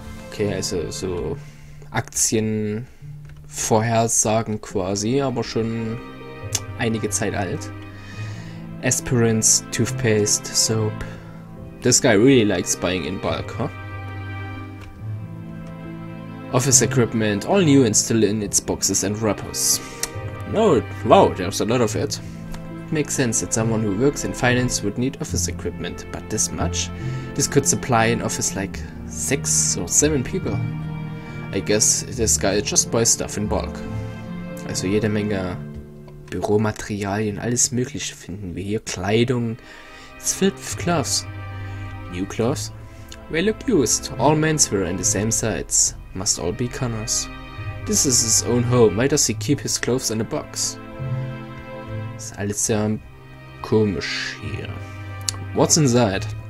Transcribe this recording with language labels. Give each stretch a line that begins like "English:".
German: Okay, also so Aktienvorhersagen quasi, aber schon einige Zeit alt.
English: Aspirins, Toothpaste, Soap. This guy really likes buying in bulk, huh? Office equipment, all new and still in its boxes and wrappers. No, wow, there's a lot of it. It makes sense that someone who works in finance would need office equipment, but this much? This could supply an office like 6 or 7 people. I guess this guy just buys stuff in bulk.
German: Also jede Menge Büromaterialien, alles mögliche finden wir hier. Kleidung,
English: it's filled with clothes. New clothes? They look used. All menswear in the same size. Must all be Connor's. This is his own home. Why does he keep his clothes in a box?
German: Ist alles sehr komisch hier.
English: What's inside?